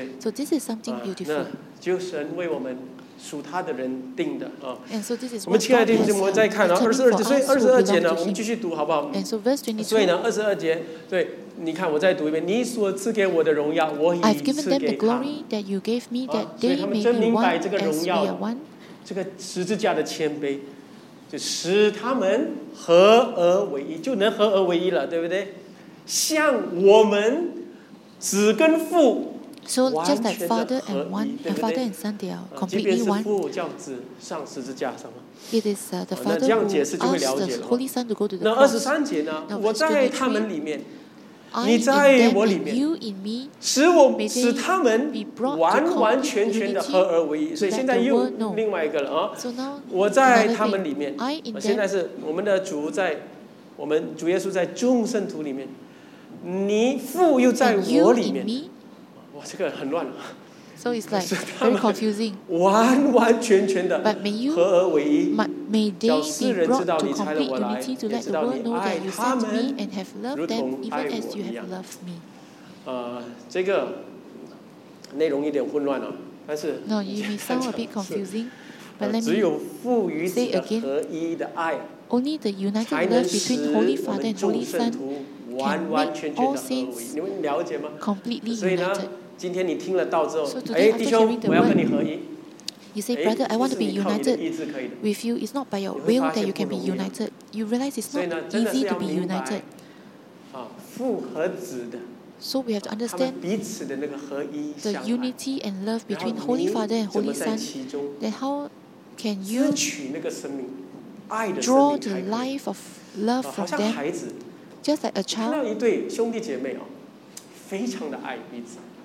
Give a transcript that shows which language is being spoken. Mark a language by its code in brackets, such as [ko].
[en] So this is something beautiful. And so this is what God has determined for us. And so verse 22. I've given them the glory that you gave me, that they may be one as we are one. [zh] 这个十字架的谦卑, 就使他们合而为一, 就能合而为一了, 对不对? 像我们子跟父, [en] so just like Father and one, and Father and Son, they are completely one. [zh] 即便是父叫子上十字架上吗? [en] It is the Father 哦, [zh] 那这样解释就会了解了, [en] who asked the Holy Son to go to the cross. [zh] 那23节呢?我在他们里面, [en] I am in them and you in me, [zh] 使我, [en] may they be brought to complete unity to let the world know. [zh] 另外一个了, [en] so now, [zh] 我在他们里面, [en] I in them, [zh] 现在是, 我们的主在, 我们主耶稣在众圣徒里面, 你父又在我里面, [en] and you in me, [zh] 哇, 这个很乱了, [en] So it's like very confusing. [zh] 完全的合而为一。 [en] But may they be brought to complete unity to let the world know that you sent me and have loved them even as you have loved me. [zh] 这个内容有点混乱了，但是 [en] No, you may sound a bit confusing. But let me say again, only the united love between Holy Father and Holy Son can make all saints completely united. [zh] 今天你听了道之后，弟兄，我要跟你合一。 [en] You say, brother, I want to be united with you. It's not by your will that you can be united. You realize it's not easy to be united. [zh] 父和子的。 [en] So we have to understand the unity and love between Holy Father and Holy Son. Then how can you draw the life of love from them? Just like a child. [zh] 看到一对兄弟姐妹哦，非常的爱彼此。